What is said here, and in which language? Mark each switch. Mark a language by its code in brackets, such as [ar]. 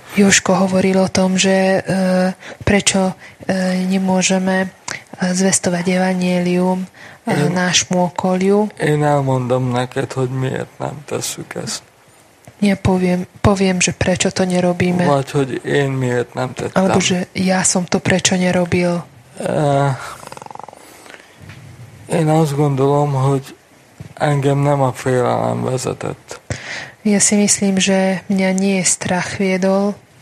[sk] Józsko hovoril o tom, že prečo nie môžeme zvestovať evangélium nášmu okoliu. [hu] Én elmondom neked, hogy miért nem tesszük ezt. [sk] Ja poviem, že prečo to nerobíme. [hu] Vagy, hogy én miért nem tettem. [sk] Alebo, že ja som to prečo nerobil. [hu] Én azt gondolom, hogy engem nem a félelem vezetett. [sk] Ja si myslím, že mňa nie strach viedol.